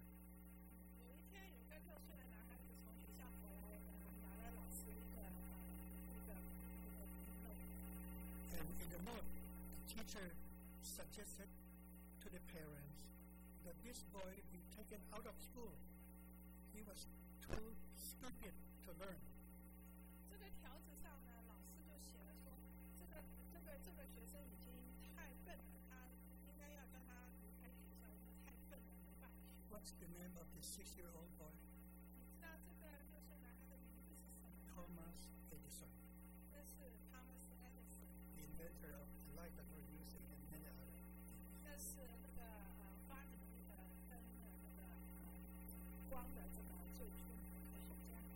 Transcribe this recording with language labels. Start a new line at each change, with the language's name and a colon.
English: And in the note, the teacher suggested to the parents that this boy be taken out of school. He was too stupid to learn
Chinese: 个条子上呢，老师就写了说，这个学生已经太笨了，他应该要跟他离开学校，因为太笨了，对吧
English: ？What's the name of the six-year-old boy？
Chinese: 你知道这个就是男孩的名字是什么
English: ？Thomas Edison。
Chinese: 这是 Thomas Edison。
English: Inventor of the light that we're using and many others。
Chinese: 这是那个发明的灯的那个光的这个最初的科学家。